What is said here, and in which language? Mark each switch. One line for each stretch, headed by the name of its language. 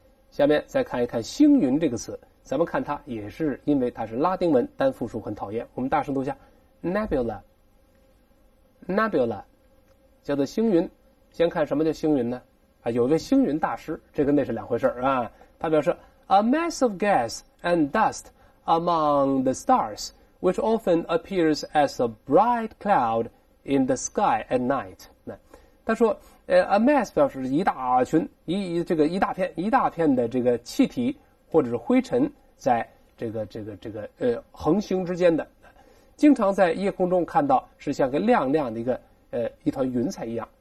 Chinese: 下面再看一看星云这个词，咱们看它也是因为它是拉丁文，单复数很讨厌，我们大声读一下 nebula， 叫做星云。先看什么叫星云呢？啊，有个星云大师，这跟那是两回事啊。他表示
English: ：A mass of gas and dust among the stars, which often appears as a bright cloud in the sky at night。
Chinese: 他说 ：“A mass 表示一大群，一大片的这个气体或者是灰尘，在这个恒星之间的，经常在夜空中看到，是像个亮亮的一团云彩一样。”